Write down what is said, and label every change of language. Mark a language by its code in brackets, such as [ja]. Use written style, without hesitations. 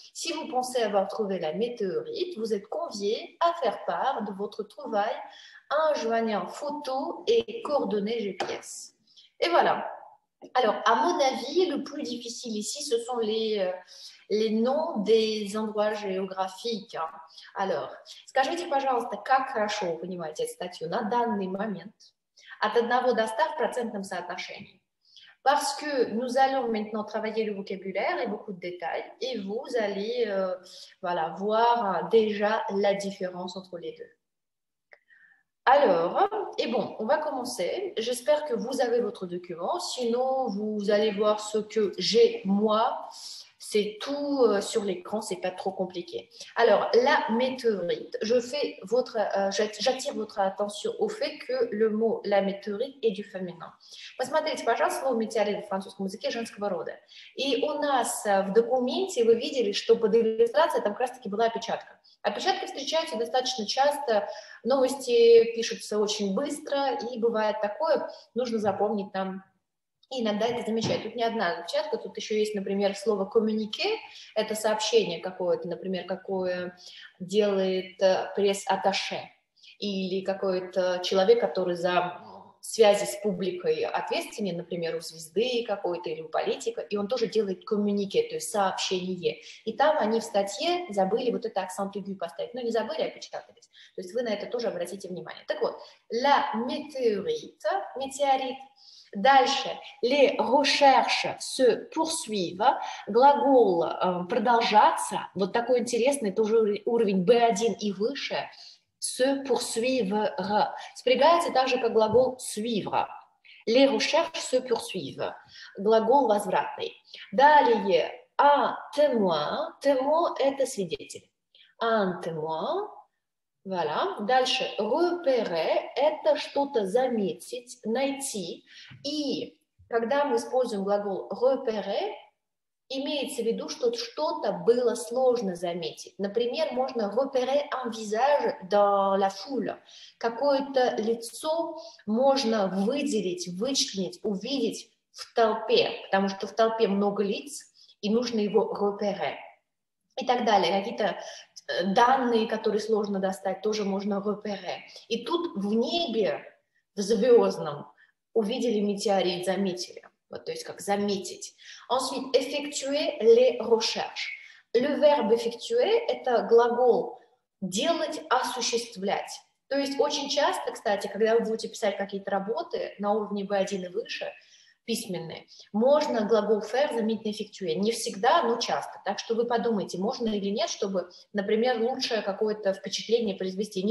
[fr] Si vous pensez avoir trouvé la météorite, vous êtes conviés à faire part de votre trouvaille en joignant photos et coordonnées GPS. Et voilà. Alors, à mon avis, le plus difficile ici, ce sont les noms des endroits géographiques. [ru] Alors, скажите, пожалуйста, как хорошо вы понимаете эту статью на данный момент от 1 до 100 в процентном соотношении? [fr] Parce que nous allons maintenant travailler le vocabulaire et beaucoup de détails, et vous allez voir déjà la différence entre les deux. Alors, et bon, on va commencer. J'espère que vous avez votre document. Sinon, vous allez voir ce que j'ai moi. C'est tout sur l'écran, c'est pas trop compliqué. Alors, la météorite, j'attire votre attention au fait que le mot la météorite est du féminin. [ru] Посмотрите, пожалуйста, слово метеорит в французском языке женского рода. И у нас в документе вы видели, что под иллюстрацией там как раз-таки была опечатка. Опечатки встречаются достаточно часто, новости пишутся очень быстро, и бывает такое, нужно запомнить там. И иногда это замечают. Тут не одна опечатка, тут еще есть, например, слово коммюнике, это сообщение какое-то, например, какое делает пресс-атташе или какой-то человек, который за связи с публикой ответственен, например, у звезды какой-то или у политика, и он тоже делает коммюнике, то есть сообщение. И там они в статье забыли вот это акцент aigu поставить, но не забыли, а опечатались. То есть вы на это тоже обратите внимание. Так вот, la météorite, метеорит. Дальше. [fr] Les recherches se poursuivent. [ru] Глагол продолжаться. Вот такой интересный, тоже уровень B1 и выше. [fr] Se poursuivre. [ru] Спрягается так же, как глагол suivre. [fr] Les recherches se poursuivent. [ru] Глагол возвратный. Далее. [fr] Un témoin. [ru] Témoin – это свидетель. [fr] Un témoin. Voilà. [ru] Дальше. Repérer – это что-то заметить, найти. И когда мы используем глагол repérer, имеется в виду, что что-то было сложно заметить. Например, можно [fr] repérer un visage dans la foule. [ru] Какое-то лицо можно выделить, вычленить, увидеть в толпе, потому что в толпе много лиц, и нужно его repérer. И так далее. Какие-то данные, которые сложно достать, тоже можно repérer. И тут в небе, в звездном, увидели метеорит, заметили. Вот, то есть как заметить. [fr] Ensuite, effectuer les recherches. Le verbe effectuer [ru] – это глагол делать, осуществлять. То есть очень часто, кстати, когда вы будете писать какие-то работы на уровне B1 и выше, письменные, можно глагол faire заменить на effectuer. Не всегда, но часто. Так что вы подумайте, можно или нет, чтобы, например, лучшее какое-то впечатление произвести.